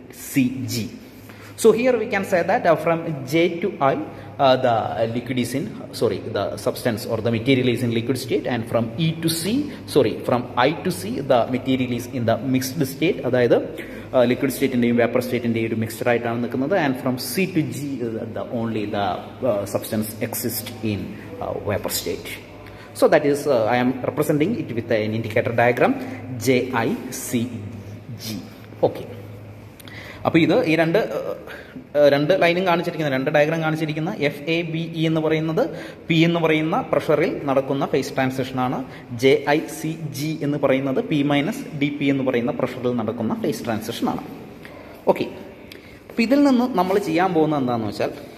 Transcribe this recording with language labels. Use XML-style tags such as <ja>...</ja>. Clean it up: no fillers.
<en>C G so here we can say that from J to I the substance or the material is in liquid state and from E to C, sorry, from I to C, the material is in the mixed state, that is liquid state in the vapor state in the mixture right on the other, and from C to G, the only the substance exists in vapor state. So that is, I am representing it with an indicator diagram, J-I-C-G. Okay.</en> <ml>അപ്പോൾ ഇത് ഈ രണ്ട് രണ്ട് ലൈനും കാണിച്ചിരിക്കുന്ന രണ്ട് diagram കാണിച്ചിരിക്കുന്ന F A B E എന്ന് പറയുന്നത് പി എന്ന് പറയുന്ന പ്രഷറിൽ നടക്കുന്ന face ട്രാൻസിഷനാണ് J I C G എന്ന് പറയുന്നത് പി മൈനസ് ഡി പി എന്ന് പറയുന്ന പ്രഷറിൽ നടക്കുന്ന ഫേസ് ട്രാൻസിഷനാണ് ഓക്കെ അപ്പം ഇതിൽ നിന്ന് നമ്മൾ ചെയ്യാൻ പോകുന്നത് എന്താണെന്ന് വെച്ചാൽ</ml>